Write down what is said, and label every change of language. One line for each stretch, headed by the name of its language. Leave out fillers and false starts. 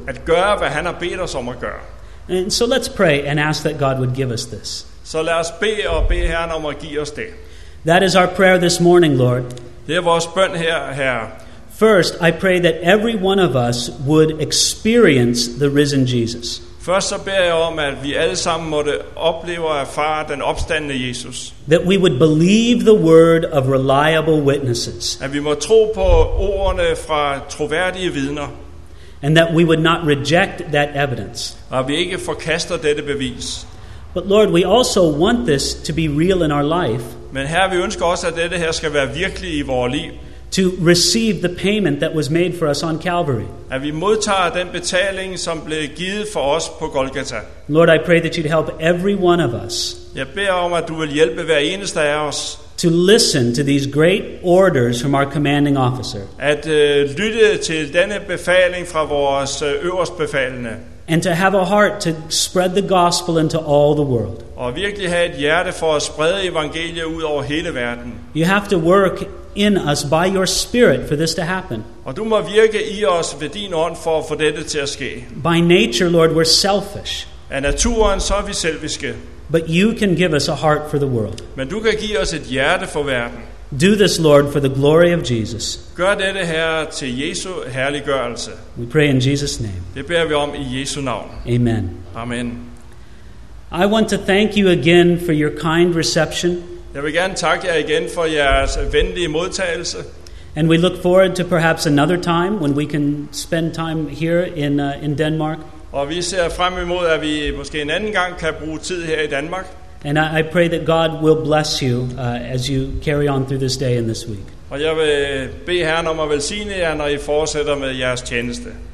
Danish: At gøre hvad han har bedt os om at gøre.
English: And so let's pray and ask that God would give us this.
Danish: Så lad os bede og bede Herren om at give os det.
English: That is our prayer this morning, Lord.
Danish: Det er vores bøn her, Herre.
English: First, I pray that every one of us would experience the risen Jesus.
Danish: Først så beder jeg om, at vi alle sammen måtte opleve og erfare den opstandende Jesus.
English: That we would believe the word of reliable witnesses.
Danish: At vi må tro på ordene fra troværdige vidner.
English: And that we would not reject that evidence.
Danish: Og vi ikke forkaster dette bevis.
English: But Lord, we also want this to be real in our life.
Danish: Men Herre, vi ønsker også, at dette her skal være virkelig i vores liv.
English: To receive the payment that was made for us on Calvary.
Danish: At vi modtager den betaling, som blev givet for os på Golgata.
English: Lord, I pray that you'd help every one of us.
Danish: Jeg beder om, at du vil hjælpe hver eneste af os.
English: To listen to these great orders from our commanding officer.
Danish: At lytte til denne befaling fra vores øverstbefalende.
English: And to have a heart to spread the gospel into all the world.
Danish: Og virkelig have et hjerte for at sprede evangeliet ud over hele verden.
English: You have to work in us by your spirit for this to happen.
Danish: Og du må virke i os ved din ånd for at få dette til at ske.
English: By nature, Lord, we're selfish.
Danish: Af naturen så er vi selviske.
English: But you can give us a heart for the world.
Danish: Men du kan give os et hjerte for verden.
English: Do this, Lord, for the glory of Jesus.
Danish: Gør dette, Herre, til Jesu herliggørelse.
English: We pray in Jesus' name.
Danish: Det beder vi om i Jesu navn.
English: Amen.
Danish: Amen.
English: I want to thank you again for your kind reception.
Danish: Jeg vil gerne takke jer igen for jeres venlige modtagelse.
English: And we look forward to perhaps another time when we can spend time here in Denmark.
Danish: Og vi ser frem imod, at vi måske en anden gang kan bruge tid her i Danmark.
English: And I pray that God will bless you as you carry on through this day and this week.
Danish: Og jeg vil bede Herren om at velsigne jer, når I fortsætter med jeres tjeneste.